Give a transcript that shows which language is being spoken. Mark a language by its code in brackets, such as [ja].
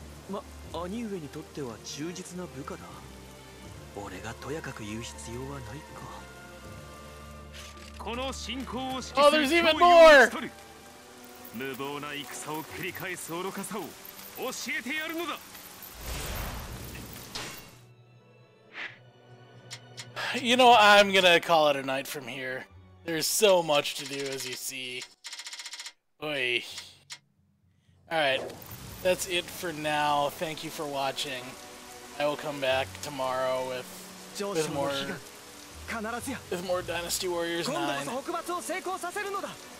[ja] ま、兄上にとっては忠実な部下だ。俺がとやかく言う必要はないか。この進行を指揮する脅威を討ち取る。無謀な戦を繰り返す愚かさを教えてやるのだ。 [en] You know, I'm gonna call it a night from here. There's so much to do, as you see. Oi. Alright, that's it for now. Thank you for watching. I will come back tomorrow with more... with more Dynasty Warriors 9. [ja] 今度こそ北伐を成功させるのだ。